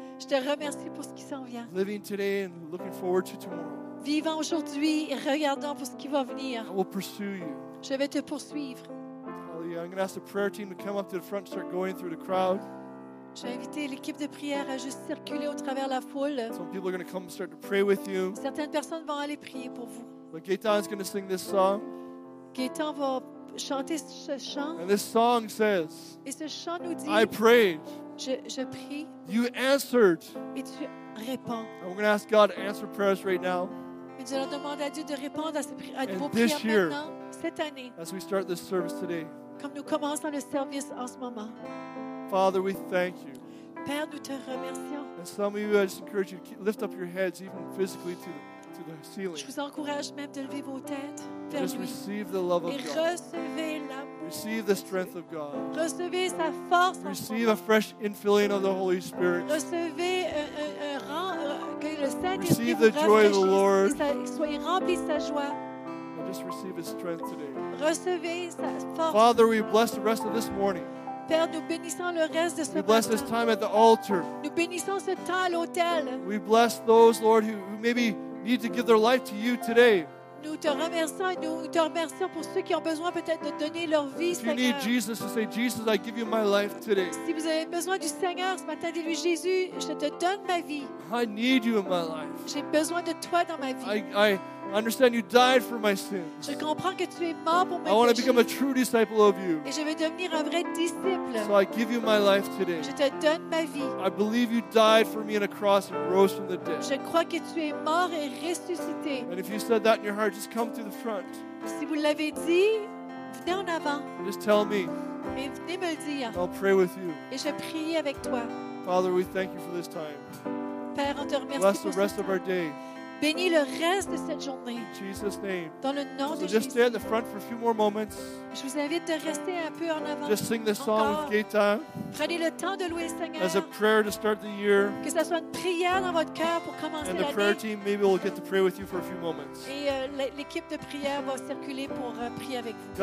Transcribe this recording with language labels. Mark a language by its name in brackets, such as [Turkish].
[French] Je te remercie pour ce qui s'en vient. [English] Living today and looking forward to tomorrow. [French] Vivant aujourd'hui et regardant pour ce qui va venir. [English] I will pursue you. [French] Je vais te poursuivre. [English] Hallelujah. I'm going to ask the prayer team to come up to the front and start going through the crowd. [French] J'ai invité l'équipe de prière à juste circuler au travers la foule. [English] Some people are going to come and start to pray with you. [French] Certaines personnes vont aller prier pour vous. [English] But Gaetan is going to sing this song. [French] Gaetan va chanter ce chant. [English] And this song says, [French] et ce chant nous dit, [English] I prayed. [French] Je prie. [English] You answered. [French] Et tu réponds. [English] And we're going to ask God to answer prayers right now. [French] Et je leur demande à Dieu de répondre à vos prières maintenant. [English] And this year, [French] cette année, [English] as we start this service today, [French] comme nous commençons le service en ce moment, [English] Father, we thank you. [French] Père, nous te remercions. [English] And some of you, I just encourage you to lift up your heads, even physically, to them. [French] Je vous encourage même de lever vos têtes vers [English] Just [French] lui [English] receive the love of [French] et [English] God. [French] Recevez l'amour. [English] Receive the strength of God. [French] Recevez sa force. [English] Receive a fresh infilling of the Holy Spirit. [French] Recevez un rang que le Saint-Esprit [English] Receive the joy of the Lord. [French] Soyez remplis de sa joie. [English] And just receive His strength today. [French] Recevez sa force. [English] Father, we bless the rest of this morning. [French] Père, nous bénissons le reste de ce [English] matin. We bless this time at the altar. [French] Nous bénissons ce temps à l'autel. [English] We bless those, Lord, who maybe need to give their life to you today. [French] Nous te remercions et nous te remercions pour ceux qui ont besoin peut-être de donner leur vie, Seigneur. [English] You need Jesus to say, Jesus, I give you my life today. [French] Si vous avez besoin du Seigneur ce matin, dis-lui, Jésus, je te donne ma vie. [English] I need you in my life. [French] J'ai besoin de toi dans ma vie. [English] I understand you died for my sins. [French] Je comprends que tu es mort pour mes péchés. [English] I want to become a true disciple of you. [French] Et je veux devenir un vrai disciple. [English] So I give you my life today. [French] Je te donne ma vie. [English] I believe you died for me on a cross and rose from the dead. [French] Je crois que tu es mort et ressuscité. [English] And if you said that in your heart, just come to the front. [French] Si vous l'avez dit, venez en avant. [English] And just tell me. [French] Et venez me le dire. [English] I'll pray with you. [French] Et je prie avec toi. [English] Father, we thank you for this time. [French] Père, on te remercie. [English] Bless the rest of our day. [French] Bénis le reste de cette journée. [English] In Jesus' name. [French] Dans le nom de Jésus. [English] So just stay at the front for a few more moments. [French] Je vous invite de rester un peu en avant. [English] Just sing the song with Gaeta. [French] Prenez le temps de louer le Seigneur. [English] As a prayer to start the year. [French] Que ça soit une prière dans votre cœur pour commencer l'année. [English] And the prayer team maybe will get to pray with you for a few moments. [French] Et l'équipe de prière va circuler pour prier avec vous.